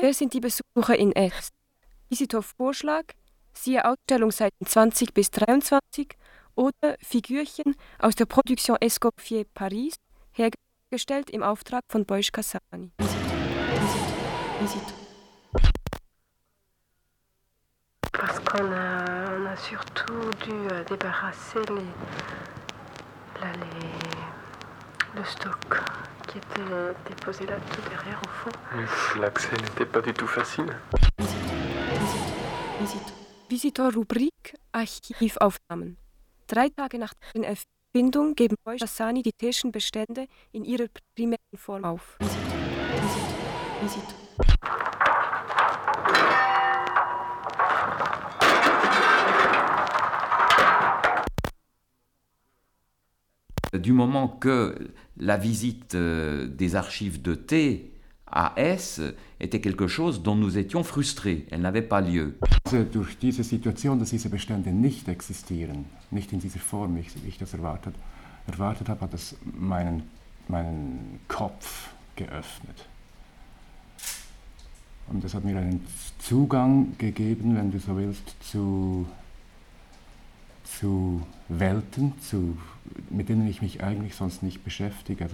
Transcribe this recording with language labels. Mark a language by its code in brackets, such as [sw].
[de] Wer sind die Besucher in S? Visitor-Vorschlag? Siehe Ausstellungsseiten 20 bis 23 oder Figürchen aus der Production Escoffier Paris, hergestellt im Auftrag von Boyce Cassani. [fr] Parce qu'on a, on a surtout dû débarrasser le stock qui était déposé là tout derrière au fond. L'accès n'était pas du tout facile. [de] Visitor Rubrik Archivaufnahmen. Drei Tage nach der Erfindung geben Boyce Cassani die Tischenbestände in ihrer primären Form auf. [en] Visitor. [fr] Du moment que la visite des archives de T à S était quelque chose dont nous étions frustrés, elle n'avait pas lieu. [de] Durch diese Situation, dass diese Bestände nicht existieren, nicht in dieser Form, wie ich das erwartet habe, hat das meinen Kopf geöffnet. Und das hat mir einen Zugang gegeben, wenn du so willst, zu Welten, mit denen ich mich eigentlich sonst nicht beschäftige.